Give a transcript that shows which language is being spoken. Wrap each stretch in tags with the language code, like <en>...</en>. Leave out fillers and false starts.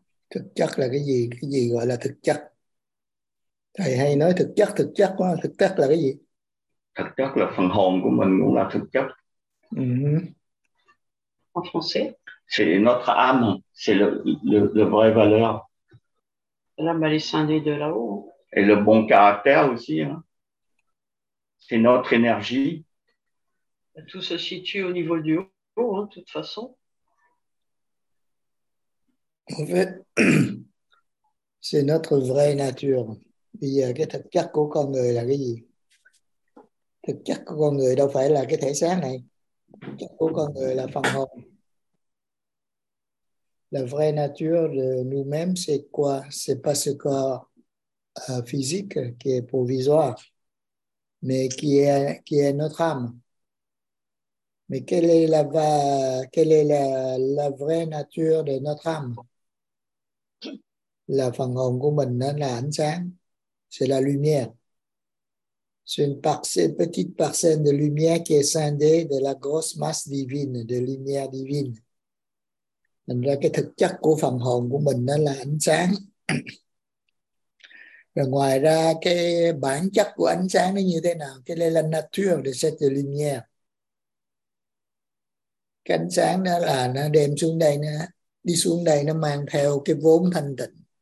<vi>Thực chất là cái gì gọi là thực chất? Thầy hay nói thực chất quá, thực chất là cái gì? Thực chất là phần hồn của mình cũng là thực chất.</vi> <fr>En français, c'est notre âme, c'est le vrai valeur. L'âme est scindée de là-haut. Et le bon caractère aussi, hein. C'est notre énergie. Tout se situe au niveau du haut, hein, de toute façon. En fait, c'est notre vraie nature.</fr> <vi>Bây giờ cái thực chất của con người là cái gì? Thực chất của con người đâu phải là cái thể xác này. Thực chất của con người là phần hồn.</vi> <fr>La vraie nature de nous-mêmes, c'est quoi? C'est pas ce corps physique qui est provisoire, mais qui est notre âme. Mais quelle est la vraie nature de notre âme?</fr> <vi>Là phần hồn của mình, nó là ánh sáng,</vi> <fr>c'est la lumière. C'est une parcelle, petite parcelle de lumière qui est scindée de la grosse masse divine, de lumière divine.</fr> <vi>Thành ra cái thực chất của phần hồn của mình, nó là ánh sáng. Rồi ngoài ra cái bản chất của ánh sáng nó như thế nào? Cái này là</vi> <fr>nature de cette lumière.</fr> <vi>Cái ánh sáng đó là nó đem xuống đây, nó đi xuống đây, nó mang theo cái vốn thanh tịnh.</vi>